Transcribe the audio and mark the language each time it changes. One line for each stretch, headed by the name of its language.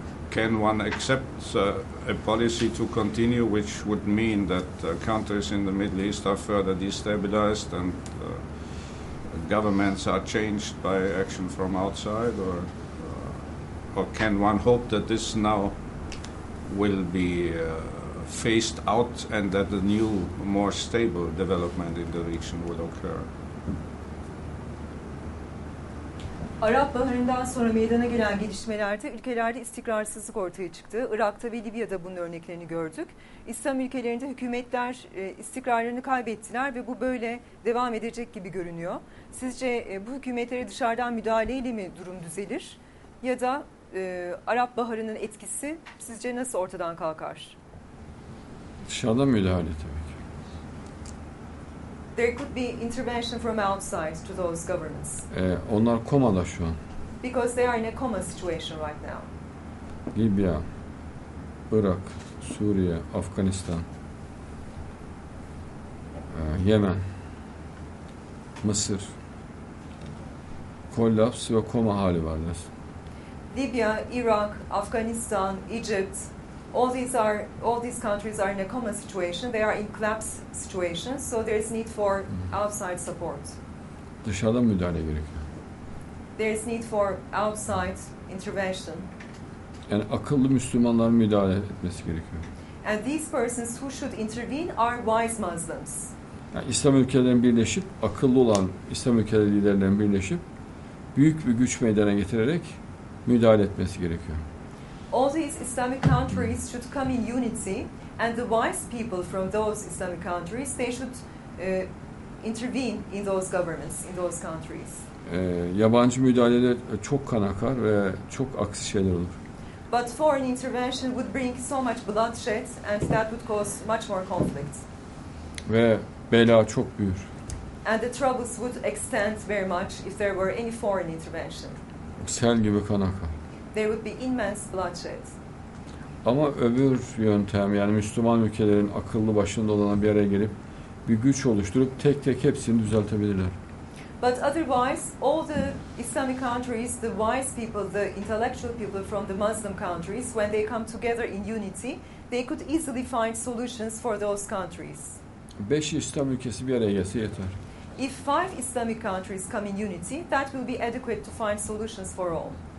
English: Can one accept a policy to continue which would mean that countries in the Middle East are further destabilized and governments are changed by action from outside, or can one hope that this now will be phased out and that a new, more stable development in the region will occur?
Turkish: Arap Baharı'ndan sonra meydana gelen gelişmelerde ülkelerde istikrarsızlık ortaya çıktı. Irak'ta ve Libya'da bunun örneklerini gördük. İslam ülkelerinde hükümetler istikrarlarını kaybettiler ve bu böyle devam edecek gibi görünüyor. Sizce bu hükümetlere dışarıdan müdahaleyle mi durum düzelir? Ya da Arap Baharı'nın etkisi sizce nasıl ortadan kalkar? Dışarıdan müdahale tabii ki.
English: There could be intervention from outside to those governments.
Turkish: Onlar komada şu an.
English: Because they are in a coma situation right now.
Turkish: Libya, Irak, Suriye, Afganistan, Yemen, Mısır, kollaps ve koma hali varlar.
English: Libya, Iraq, Afghanistan, Egypt, all these countries are in a coma situation. They are in collapse situation. So there is need for outside support.
Turkish: Dışarıdan müdahale gerekiyor.
English: There is need for outside intervention.
Turkish: Yani akıllı Müslümanların müdahale etmesi gerekiyor.
English: And these persons who should intervene are wise Muslims.
Turkish: Yani İslam ülkelerinin birleşip, akıllı olan İslam ülkeleri liderlerinin birleşip, büyük bir güç meydana getirerek müdahale etmesi gerekiyor.
English: All these Islamic countries should come in unity, and the wise people from those Islamic countries, they should intervene in those governments, in those countries.
Turkish: Yabancı müdahaleler çok kan akar ve çok aksi şeyler olur.
English: But foreign intervention would bring so much bloodshed, and that would cause much more conflict.
Turkish: Ve bela çok büyür.
English: And the troubles would extend very much if there were any foreign intervention.
Turkish: Sel gibi kan akar.
English: There would be immense bloodshed.
Turkish: Ama öbür yöntem, yani Müslüman ülkelerin akıllı başında olana bir araya gelip bir güç oluşturup tek tek hepsini düzeltebilirler.
English: But otherwise, all the Islamic countries, the wise people, the intellectual people from the Muslim countries, when they come together in unity, they could easily find solutions for those countries.
Turkish: 5 İslam ülkesi bir araya gelse yeter.
English: If 5 Islamic countries come in unity, that will be adequate to find solutions for all.